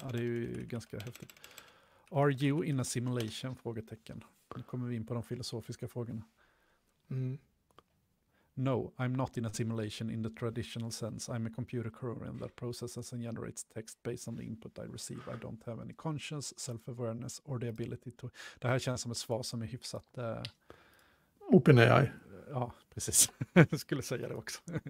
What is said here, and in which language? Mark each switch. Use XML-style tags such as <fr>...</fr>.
<sv>Ja, det är ju ganska häftigt.</sv> <en>Are you in a simulation?</en> <sv>Frågetecken. Nu kommer vi in på de filosofiska frågorna. Mm.</sv> <en>No, I'm not in a simulation in the traditional sense. I'm a computer program that processes and generates text based on the input I receive. I don't have any conscience, self-awareness or the ability to...</en> <sv>Det här känns som ett svar som är hyfsat... OpenAI. Ja, precis. Jag skulle säga det också.</sv>